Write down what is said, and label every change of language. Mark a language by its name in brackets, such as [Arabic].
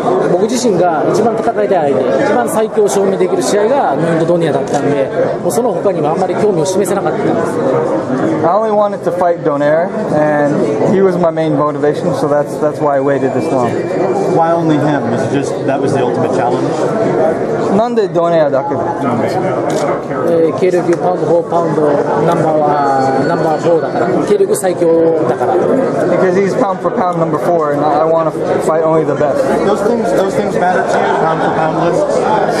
[Japanese] 僕自身が一番戦いたい相手、一番最強を証明できる試合がノンドドニアだったんで、もうその他にはあんまり興味を示せなかったんです。 [English] I only wanted to fight Donaire and he was my main motivation, so that's why I waited this long. Why only him? Is it just that was the ultimate challenge? [Japanese] なんでドネアだけ。軽量級パウンド4パウンドナンバー4だから、軽量級最強だから。 [English] Because he's pound for pound number 4 and I want to fight only the best. Those things matter to you, pound for pound lists?